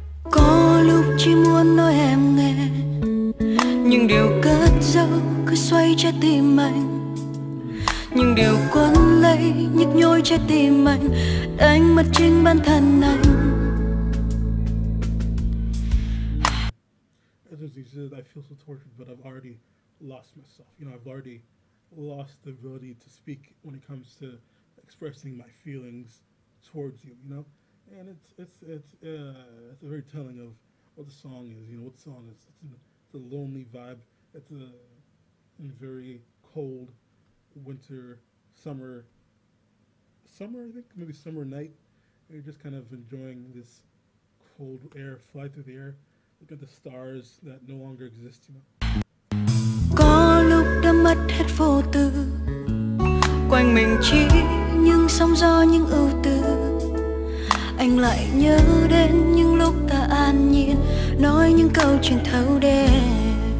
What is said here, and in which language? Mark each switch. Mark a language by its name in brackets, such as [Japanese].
[Vietnamese] Có lúc chỉ muốn nói em nghe, nhưng điều cất giấu cứ xoay trái tim anh. Những điều quấn lấy nhức nhối trái tim anh, đánh mất chính bản thân anh. [English] As it is, I feel so tortured, but I've already lost myself. You know, I've already lost the ability to speak when it comes to expressing my feelings towards you, you know? And it's a very telling of what the song is, you know, what the song is. It's a lonely vibe. It's a very cold winter, summer, I think, maybe summer night. You're just kind of enjoying this cold air, fly through the air. Look at the stars that no longer exist, you know. [Vietnamese] Có lúc đã mất hết vô tư, quanh mình chỉ những sóng gió, những ưu tư. Anh lại nhớ đến những lúc ta an nhiên, nói những câu chuyện thâu đêm.